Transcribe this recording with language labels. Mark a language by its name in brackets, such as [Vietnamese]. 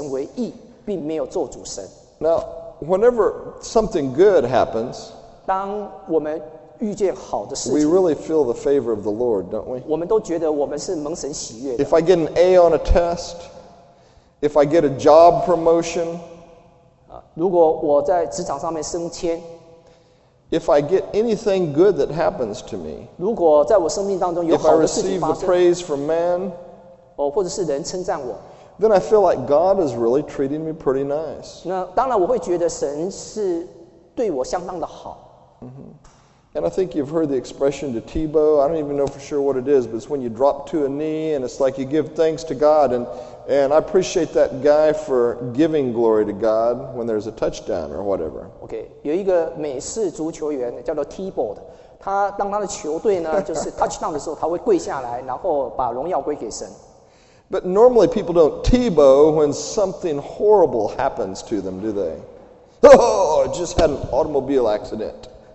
[Chinese] 虽然约伯遇见了这么多不幸的事，但约伯仍然以神为义，并没有咒诅神。 [English] Now, whenever something good happens, [Chinese] 当我们遇见好的事情, [English] we really feel the favor of the Lord, don't we? [Chinese] 我们都觉得我们是蒙神喜悦的。 [English] If I get an A on a test, if I get a job promotion, [Chinese] 如果我在职场上面升迁, [English] If I get anything good that happens to me, [Chinese] 如果在我生命当中有好的事情发生, [English] if I receive the praise from man, [Chinese] 或者是人称赞我, [English] then I feel like God is really treating me pretty nice. [Chinese] 那当然我会觉得神是对我相当的好。 [English] And I think you've heard the expression to Tebow, I don't even know for sure what it is, but it's when you drop to a knee and it's like you give thanks to God. And I appreciate that guy for giving glory to God when there's a touchdown or whatever. [Chinese] Okay, 有一个美式足球员叫做T-Bow的，他当他的球队呢，就是touchdown的时候，他会跪下来，然后把荣耀归给神。 [English] But normally people don't T-Bow when something horrible happens to them, do they? Oh, just had an automobile accident.